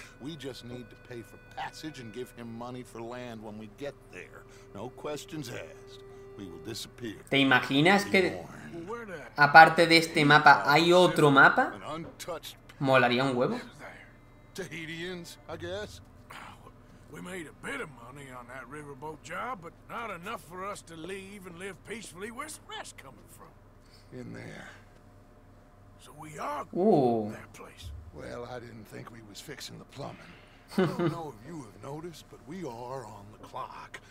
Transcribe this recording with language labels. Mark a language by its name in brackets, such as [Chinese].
[English] We just need to pay for passage and give him money for land when we get there. No questions asked. We will disappear. [Spanish] ¿Te imaginas que aparte de este mapa hay otro mapa? ¿Molaría un huevo? [English] Tahitians, I guess. We made a bit of money on that riverboat job, but not enough for us to leave and live peacefully. Where's the rest coming from? In there. So we are in that place. Well, I didn't think we was fixing the plumbing. I don't know if you have noticed, but we are on the clock.